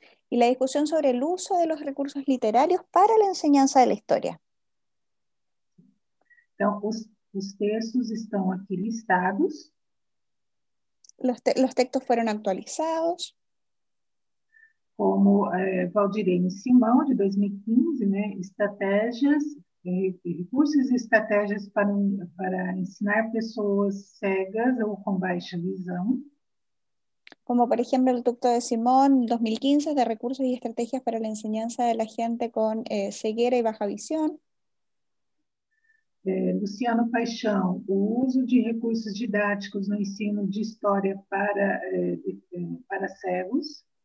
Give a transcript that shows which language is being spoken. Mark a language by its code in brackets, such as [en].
[es] Y la discusión sobre el uso de los recursos literarios para la enseñanza de la historia. Entonces, los textos están aquí listados. Los textos fueron actualizados. [pt] Como Valdirene Simão, de 2015, né? Estratégias, recursos e estratégias para ensinar pessoas cegas ou com baixa visão. [es] Como por ejemplo el texto de Simón 2015 de recursos y estrategias para la enseñanza de la gente con ceguera y baja visión. [pt] Luciano Paixão, o uso de recursos didácticos no ensino de historia para cegos.